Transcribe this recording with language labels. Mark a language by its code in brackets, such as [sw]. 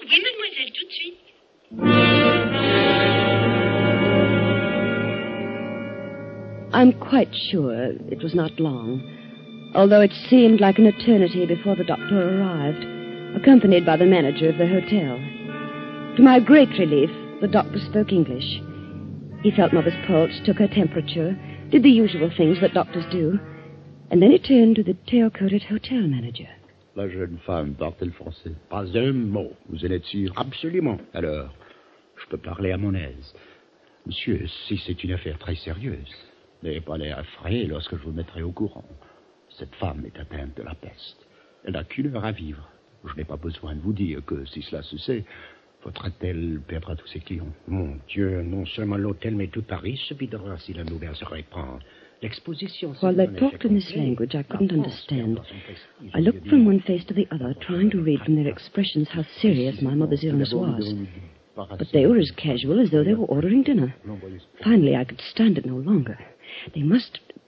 [fr] Oui, Mademoiselle, tout de suite. [en] I'm quite sure it was not long, although it seemed like an eternity before the doctor arrived, accompanied by the manager of the hotel. To my great relief, the doctor spoke English. He felt Mother's pulse, took her temperature, did the usual things that doctors do, and then he turned to the tail-coated hotel manager. [fr] La jeune femme parle-t-elle français? Pas un mot. Vous en êtes sûr? Absolument. Alors, je peux parler à mon aise. Monsieur, si c'est une affaire très sérieuse, n'ayez pas l'air effrayé lorsque je vous mettrai au courant. Cette femme est atteinte de la peste. Elle n'a qu'une heure à vivre. Je n'ai pas besoin de vous dire que, si cela se sait, faudrait-elle perdre tous ses clients. Mon Dieu, non seulement l'hôtel, mais tout Paris se videra si la nouvelle se répand. L'exposition... [en] While they talked in this language, I couldn't understand. I looked from one face to the other, trying to read from their expressions how serious my mother's illness was. But they were as casual as though they were ordering dinner. Finally, I could stand it no longer. They must...